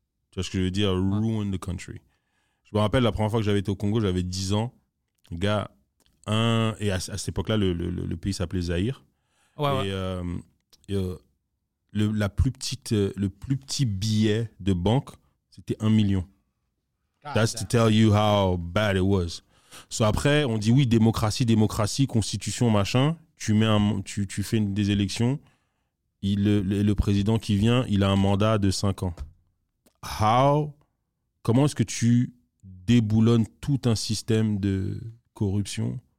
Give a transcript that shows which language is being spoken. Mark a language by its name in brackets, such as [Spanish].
[French] Tu vois ce que je veux dire? [English] Ruin the country. [French] Je me rappelle, la première fois que j'avais été au Congo, j'avais 10 ans. Le gars, et à cette époque-là, le pays s'appelait Zaïre. Ouais, le plus petit billet de banque, c'était 1 million. [English] That's to tell you how bad it was. [French] So après, on dit oui, démocratie, constitution, machin. Tu fais des élections. Le président qui vient, il a un mandat de 5 ans. Comment est-ce que tu déboulonnes tout un système de corruption?